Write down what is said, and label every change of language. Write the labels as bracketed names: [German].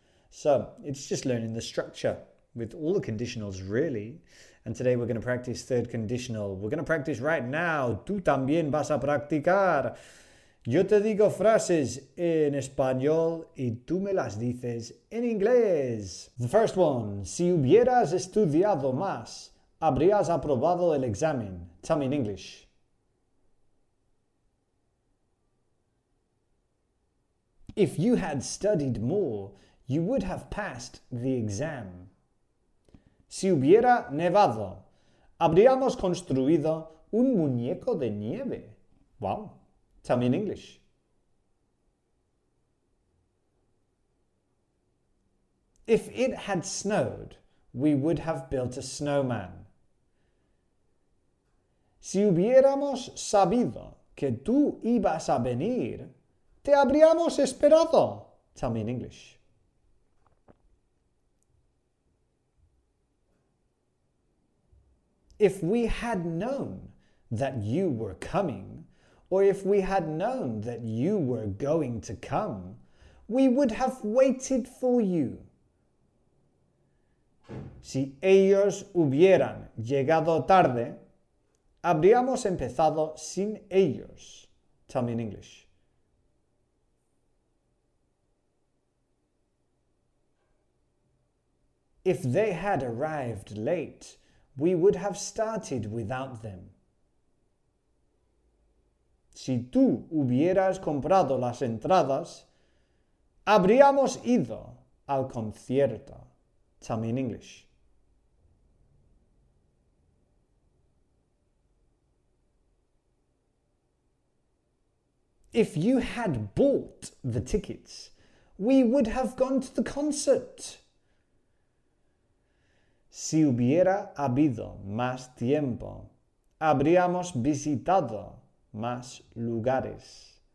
[English] So, it's just learning the structure with all the conditionals, really. And today we're going to practice third conditional. We're going to practice right now. [Spanish] Tú también vas a practicar. Yo te digo frases en español y tú me las dices en inglés. [English] The first one. [Spanish] Si hubieras estudiado más, habrías aprobado el examen. [English] Tell me in English. If you had studied more, you would have passed the exam. [Spanish] Si hubiera nevado, habríamos construido un muñeco de nieve. [English] Wow. Tell me in English. If it had snowed, we would have built a snowman. [Spanish] Si hubiéramos sabido que tú ibas a venir, te habríamos esperado. [English] Tell me in English. If we had known that you were coming, or if we had known that you were going to come, we would have waited for you. [Spanish] Si ellos hubieran llegado tarde, habríamos empezado sin ellos. [English] Tell me in English. If they had arrived late, we would have started without them. [Spanish] Si tú hubieras comprado las entradas, habríamos ido al concierto. [English] Tell me in English. If you had bought the tickets, we would have gone to the concert. [Spanish] Si hubiera habido más tiempo, habríamos visitado más lugares.